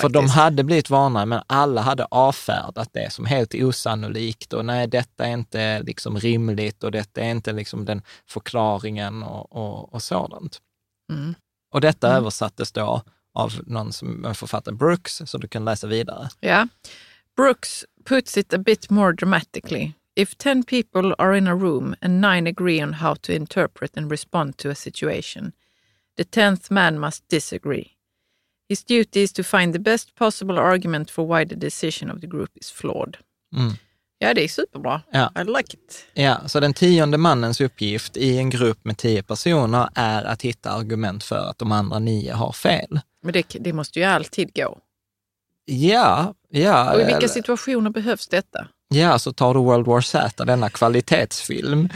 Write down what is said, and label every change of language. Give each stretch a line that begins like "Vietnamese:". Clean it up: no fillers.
Swedish: För de hade blivit varnade, men alla hade avfärdat det som helt osannolikt. Och nej, detta är inte liksom rimligt, och detta är inte liksom den förklaringen och sådant. Mm. Och detta översattes då av någon som författare, Brooks, så du kan läsa vidare.
English: Ja, Brooks puts it a bit more dramatically. If 10 people are in a room and 9 agree on how to interpret and respond to a situation, the 10th man must disagree. His duty is to find the best possible argument for why the decision of the group is flawed. Mm.
Swedish: Ja, det är superbra. Ja.
English: I like it.
Swedish: Ja, så den tionde mannens uppgift i en grupp med 10 personer är att hitta argument för att de andra 9 har fel. Men det måste ju alltid gå. Ja, ja. Och i vilka situationer behövs detta? Ja, så tar du World War Z, denna kvalitetsfilm.